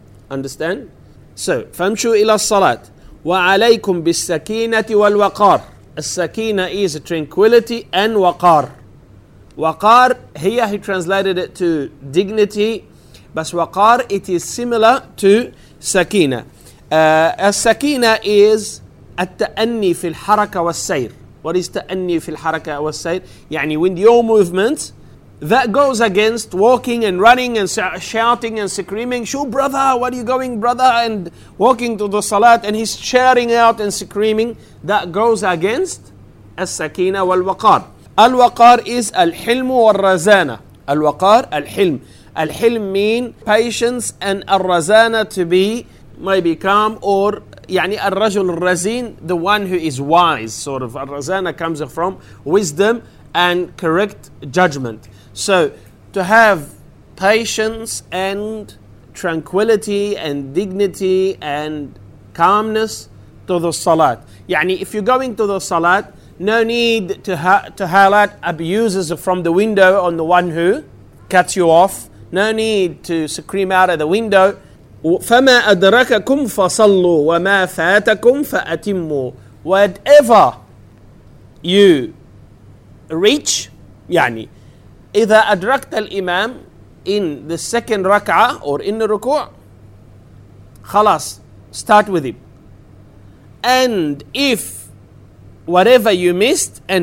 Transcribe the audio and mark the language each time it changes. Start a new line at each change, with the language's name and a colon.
English: Understand? So,
Arabic: فَمْشُوا إِلَى الصَّلَاةِ وَعَلَيْكُمْ بِالسَّكِينَةِ وَالْوَقَارِ.
English: السَّكِينَ is tranquility and waqar. Waqar, here he translated it to dignity, but waqar, it is similar to sakina.
Arabic: السَّكِينَ
English: is
Arabic: التَأَنِّي فِي الْحَرَكَ وَالسَّيْرِ.
English: What is
Arabic: التَأَنِّي فِي الْحَرَكَ وَالسَّيْرِ?
English: يعني with your movement, that goes against walking and running and shouting and screaming, "Shoo, brother, where are you going, brother?" and walking to the salat, and he's shouting out and screaming. That goes against as-sakina wal-waqar. Al-waqar is al-hilm wal-razana. Al-waqar, al-hilm. Al-hilm mean patience, and al-razana to be, maybe calm, or
Arabic: يعني الرجل الرزين,
English: the one who is wise, sort of. Al-razana comes from wisdom and correct judgment. So, to have patience and tranquility and dignity and calmness to the salat. يعني, if you're going to the salat, no need to highlight abuses from the window on the one who cuts you off. No need to scream out of the window.
Arabic: فما أدرككم فصلوا وما فاتكم فأتموا.
English: Whatever you reach, يعني,
Arabic: إذا أدركت الإمام
English: in the second ركعة or in the ركوع, خلاص, start with him. And if whatever you missed,